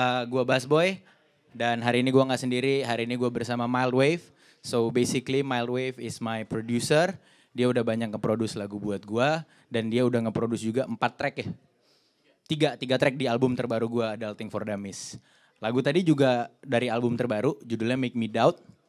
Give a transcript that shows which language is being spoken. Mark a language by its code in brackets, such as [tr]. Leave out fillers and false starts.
[id] Gua Bass Boy, dan hari ini gua gak sendiri, hari ini gua bersama Mild Wave. [en] So basically Mild Wave is my producer. [id] Dia udah banyak nge-produce lagu buat gua, dan dia udah nge-produce juga 4 track ya. 3 track di album terbaru gua, Adulting for Dummies. Lagu tadi juga dari album terbaru, judulnya Make Me Doubt.